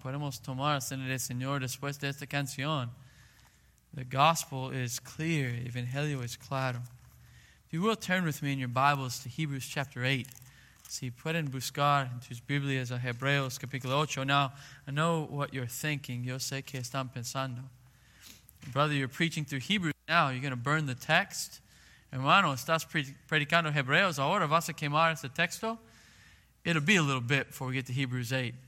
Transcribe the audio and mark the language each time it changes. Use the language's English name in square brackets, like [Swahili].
[Spanish] Podemos tomar cena del Señor después de esta canción. [English] The gospel is clear. [Spanish] Evangelio es claro. [English] If you will turn with me in your Bibles to Hebrews chapter 8. [Spanish] Si pueden buscar en tus Biblias a Hebreos capítulo 8. [English] Now, I know what you're thinking. [Spanish] Yo sé que están pensando. [English] Brother, you're preaching through Hebrews now. You're going to burn the text. [Spanish] Hermano, estás predicando Hebreos. Ahora vas a quemar ese texto. [English] It'll be a little bit before we get to Hebrews 8.